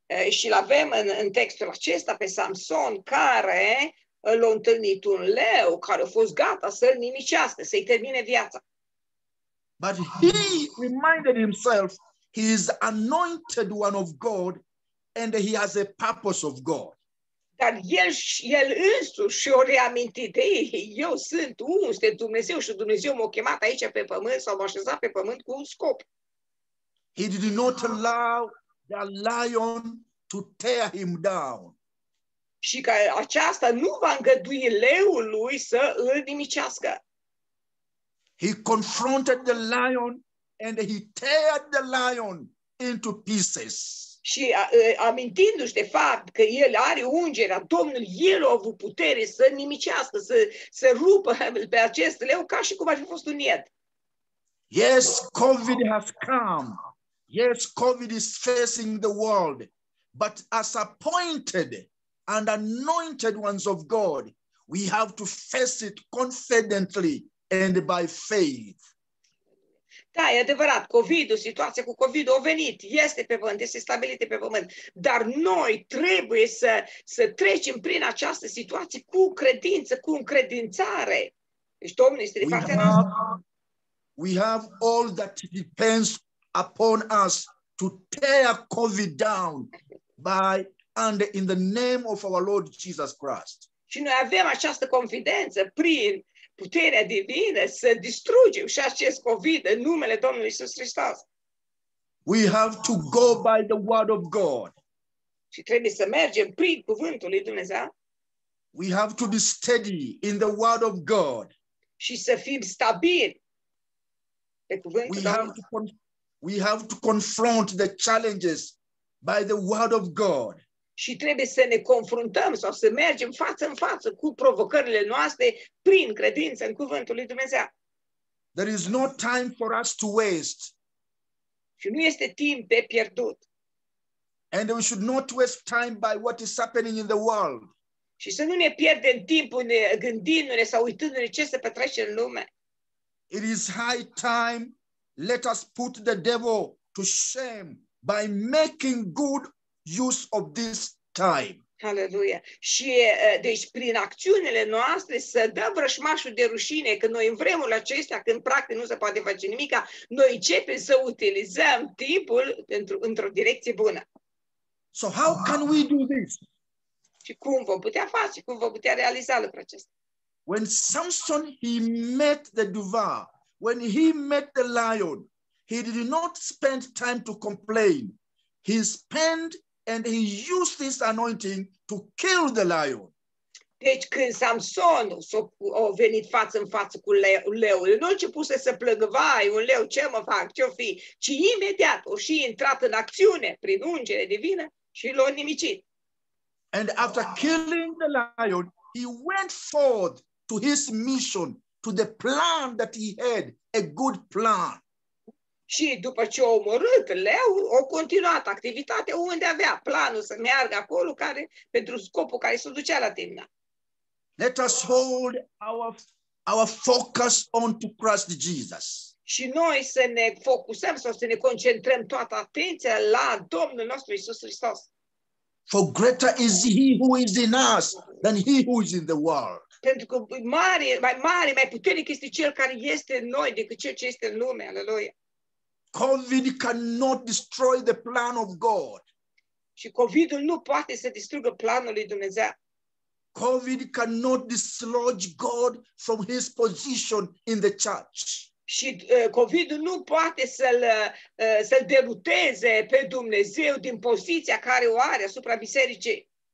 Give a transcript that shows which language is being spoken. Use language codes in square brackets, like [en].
[ro] Și l-avem în textul acesta pe Samson care l-a întâlnit un leu care a fost gata să-l nimicească, să-i termine viața. [en] But he reminded himself he is anointed one of God and he has a purpose of God. [ro] Dar el însuși și-o reamintit, eu sunt uns de Dumnezeu și Dumnezeu m-a chemat aici pe pământ sau m-a așezat pe pământ cu un scop. [en] He did not allow the lion to tear him down. [ro] Și că aceasta nu va îngădui leul lui să îl nimicească. [en] He confronted the lion and he teared the lion into pieces. [ro] Și amintindu-și de fapt că el are ungerea Domnului, el a avut putere să nimicească, să rupă pe acest leu ca și cum ar fi fost un ied. [en] Yes, COVID has come. Yes, COVID is facing the world. But as appointed and anointed ones of God, we have to face it confidently and by faith. [ro] Da, e adevărat, COVID-ul, situația cu COVID-ul a venit, este pe pământ, este stabilită pe pământ, dar noi trebuie să trecem prin această situație cu credință, cu încredințare. Deci, Domnul este de partea noastră. [en] We have all that depends upon us to tear COVID down by and in the name of our Lord Jesus Christ. [ro] Și noi avem această confidență prin puterea divină să distrugem și acest COVID în numele Domnului Iisus Hristos. [en] We have to go by the word of God. [ro] Și trebuie să mergem prin cuvântul lui Dumnezeu. [en] We have to be steady in the word of God. [ro] Și să fim stabili pe cuvântul Domnului. [en] We have to confront the challenges by the word of God. [ro] Și trebuie să ne confruntăm sau să mergem față în față cu provocările noastre prin credință în cuvântul lui Dumnezeu. [en] There is no time for us to waste. [ro] Și nu este timp de pierdut. [en] And we should not waste time by what is happening in the world. [ro] Și să nu ne pierdem timpul gândindu-ne sau uitându-ne ce se petrece în lume. [en] It is high time, let us put the devil to shame by making good use of this time. Hallelujah. [ro] Și deci prin acțiunile noastre să dăm vrășmașul de rușine că noi în vremurile acestea când practic nu se poate face nimica, noi începem să utilizăm timpul într-o direcție bună. [en] So how can we do this? [ro] Și cum vom putea face? Cum vom putea realiza lucrul acesta? [en] When Samson he met the devour, when he met the lion, he did not spend time to complain. He spent and he used this anointing to kill the lion. [ro] Deci când Samson a venit față în față cu leul, nu a început să se plângă, vai, un leu, ce mă fac, ce-o fi, ci imediat a și intrat în acțiune prin ungere divină și l-a nimicit. [en] And after killing the lion, he went forth to his mission, to the plan that he had, a good plan. [ro] Și după ce a omorât leu, a continuat activitatea unde avea planul să meargă acolo care pentru scopul care se ducea la terminat. [en] Let us hold our focus on to Christ Jesus. [ro] Și noi să ne focusăm sau să ne concentrăm toată atenția la Domnul nostru Iisus Hristos. [en] For greater is he who is in us than he who is in the world. [ro] Pentru că mai mare, mai puternic este cel care este în noi decât cel ce este în lume. Aleluia. [en] COVID cannot destroy the plan of God. [ro] Și COVID-ul nu poate să distrugă planul lui Dumnezeu. [en] COVID cannot dislodge God from his position in the church. [ro] Și COVID-ul nu poate să-l deruteze pe Dumnezeu din poziția care o are asupra bisericii.